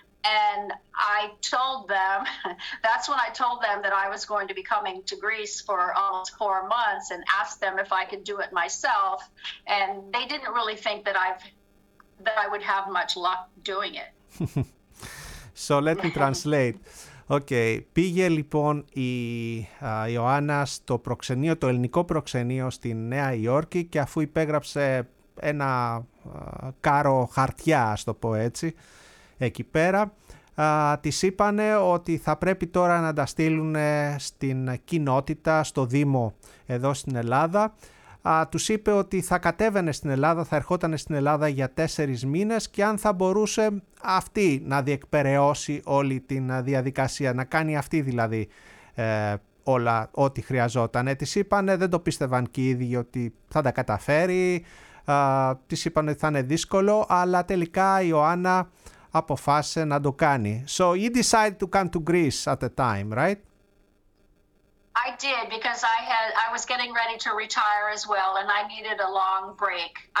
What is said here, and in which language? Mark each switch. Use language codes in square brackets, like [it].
[en] And I told them, that's when I told them that I was going to be coming to Greece for almost 4 months and asked them if I could do it myself. And they didn't really think that I would have much luck doing it. So let me translate. [el] Okay, πήγε λοιπόν η Ιωάννα στο προξενείο, το ελληνικό προξενείο στη Νέα Υόρκη και αφού υπέγραψε ένα κάρο χαρτιά, ας το πω έτσι, εκεί πέρα, της είπανε ότι θα πρέπει τώρα να τα στείλουν στην κοινότητα, στο Δήμο εδώ στην Ελλάδα. Τους είπε ότι θα κατέβαινε στην Ελλάδα, θα ερχόταν στην Ελλάδα για 4 μήνες και αν θα μπορούσε αυτή να διεκπεραιώσει όλη την διαδικασία, να κάνει αυτή δηλαδή όλα ό,τι χρειαζόταν. Της είπανε, δεν το πίστευαν και οι ίδιοι ότι θα τα καταφέρει, της είπανε ότι θα είναι δύσκολο, αλλά τελικά η Ιωάννα αποφάσισε να το κάνει. [en] So he decided to come to Greece at the time, right? I did because I was getting ready to retire as well, and I needed a long break.